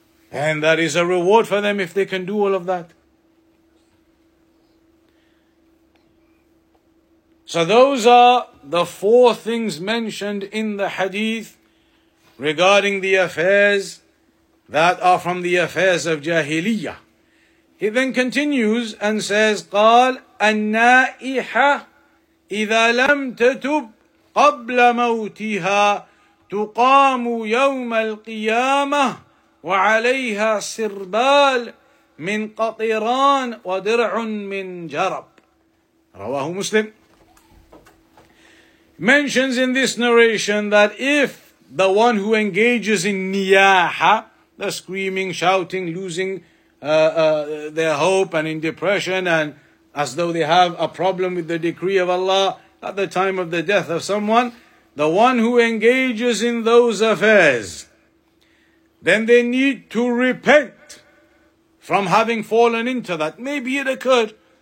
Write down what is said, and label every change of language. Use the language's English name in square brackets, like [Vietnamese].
[English] And that is a reward for them if they can do all of that. So those are the four things mentioned in the hadith regarding the affairs that are from the affairs of Jahiliyyah. He then continues and says, [Arabic] قال النائحة إذا لم تتب قبل موتها تقام يوم القيامة وعليها سربال من قطران ودرع من جرب. رواه مسلم. [English] Mentions in this narration that if the one who engages in niyaha, the screaming, shouting, losing their hope and in depression and as though they have a problem with the decree of Allah at the time of the death of someone, the one who engages in those affairs, then they need to repent from having fallen into that. Maybe it occurred.